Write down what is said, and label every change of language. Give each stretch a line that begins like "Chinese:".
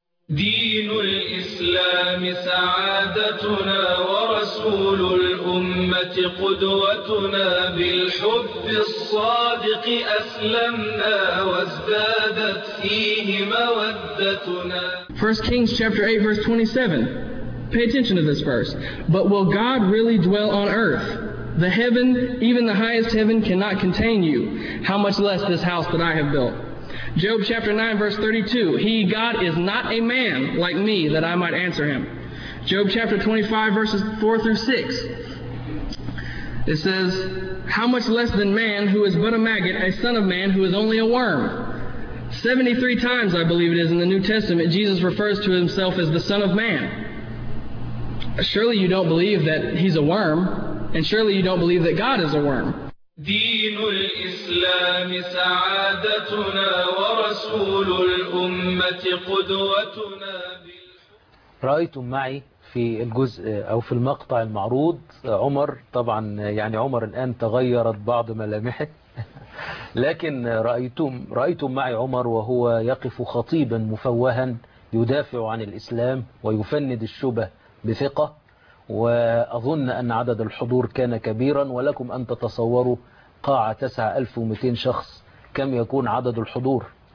Arabic: دين الإسلام سعادتنا ورسول الأمة قدوتنا، بالحب الصادق أسلمنا وازدادت فيه مودتنا.
English: 1 Kings chapter 8 verse 27. Pay attention to this verse. But will God really dwell on earth? The heaven, even the highest heaven, cannot contain you, how much less this house that I have built. Job chapter 9 verse 32, He, God, is not a man like me that I might answer him. Job chapter 25 verses 4 through 6, it says, how much less than man who is but a maggot, a son of man who is only a worm. 73 times, I believe it is, in the New Testament, Jesus refers to himself as the son of man. Surely you don't believe that he's a worm. And surely you don't believe that God is a worm.
Arabic: دين الإسلام سعادتنا ورسول الأمة قدوتنا. رأيتم معي في الجزء أو في المقطع المعروض عمر، طبعا يعني عمر الآن تغيرت بعض ملامحه، لكن رأيتم معي عمر وهو يقف خطيبا مفوها يدافع عن الإسلام ويفند الشبه بثقة، وأظن أن عدد الحضور كان كبيرا، ولكم أن تتصوروا قاعة 9200 شخص كم يكون عدد الحضور.